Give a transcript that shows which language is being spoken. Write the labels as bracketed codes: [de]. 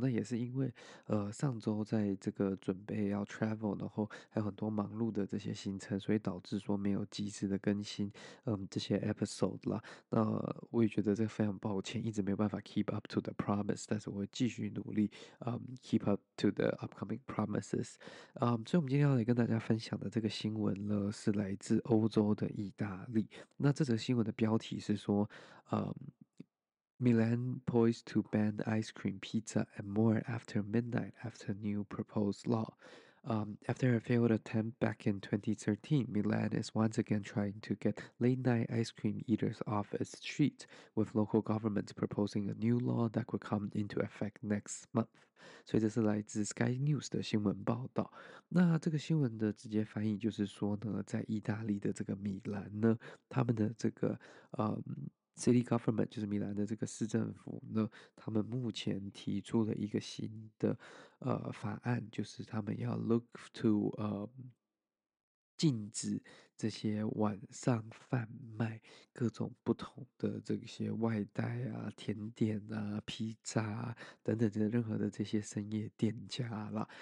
[zh] 那也是因为上周在这个准备要 travel，然后还有很多忙碌的这些行程，所以导致说没有及时的更新这些 episode 啦。那我也觉得这非常抱歉，一直没有办法 [en] keep up to the promise， [zh] 但是我会继续努力 [en] keep up to the upcoming promises。 [zh] 所以我们今天要来跟大家分享。讲的这个新闻呢，是来自欧洲的意大利。那这则新闻的标题是说， [en] Milan poised to ban ice cream, pizza, and more after midnight after new proposed law. After a failed attempt back in 2013, Milan is once again trying to get late-night ice cream eaters off its street, with local governments proposing a new law that could come into effect next month. [zh] 所以这是来自 Sky News 的新闻报道。那这个新闻的直接翻译就是说呢，在意大利的这个米兰呢，他们的这个City government 就是米兰的这个市政府呢，他们目前提出了一个新的法案，就是他们要 [en] look to [zh] 禁止这些晚上贩卖各种不同的这些外带啊、甜点啊、披萨啊等等的任何的这些深夜店家啦。